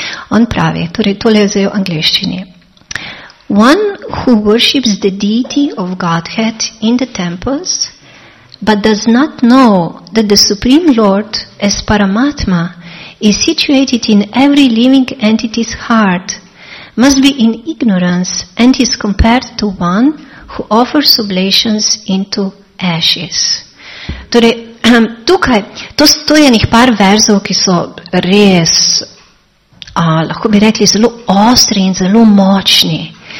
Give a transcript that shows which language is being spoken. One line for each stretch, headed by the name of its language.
Slovenian: On pravi, torej tole je zdaj v angleščini.
English: One who worships the deity of Godhead in the temples, but does not know that the Supreme Lord as Paramatma is situated in every living entity's heart, must be in ignorance and is compared to one who offers oblations into ashes.
Slovenian: Torej, tukaj, to je nekaj par verzov, ki so res, lahko bi rekli, zelo ostri in zelo močni.